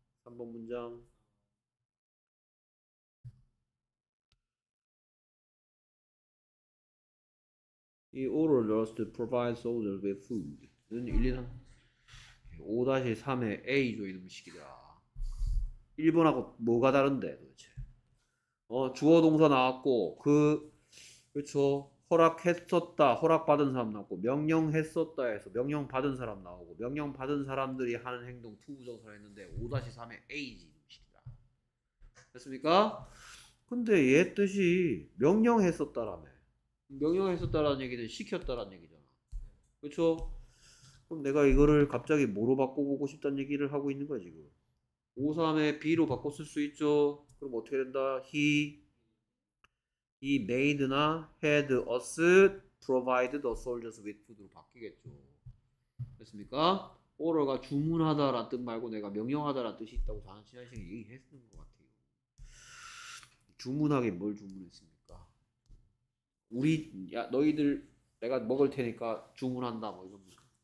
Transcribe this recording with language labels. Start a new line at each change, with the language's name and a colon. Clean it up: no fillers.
Korean: 3번 문장
English: He ordered us to provide soldiers with food.
Korean: 5-3의 A 조이놈 시키자. 1번하고 뭐가 다른데 도대체? 주어 동사 나왔고 그렇죠. 허락했었다, 허락받은 사람 나왔고 명령했었다에서 명령 받은 사람 나오고 명령 받은 사람들이 하는 행동 to 부정사를 했는데 5-3의 A 조이놈 시키자. 됐습니까? 근데 얘 뜻이 명령했었다라며. 명령했었다라는 얘기는 시켰다라는 얘기잖아. 그렇죠? 그럼 내가 이거를 갑자기 뭐로 바꿔보고 싶다는 얘기를 하고 있는 거야 지금. 5, 3에 B로 바꿨을 수 있죠. 그럼 어떻게 된다?
English: He made나 had us provided the soldiers with food로 바뀌겠죠.
Korean: 됐습니까? Order가 주문하다라는 뜻 말고 내가 명령하다라는 뜻이 있다고 다음 시간에 얘기했었던 것 같아요. 주문하게 뭘 주문했습니까? 우리 야 너희들 내가 먹을 테니까 주문한다 뭐 이겁니다.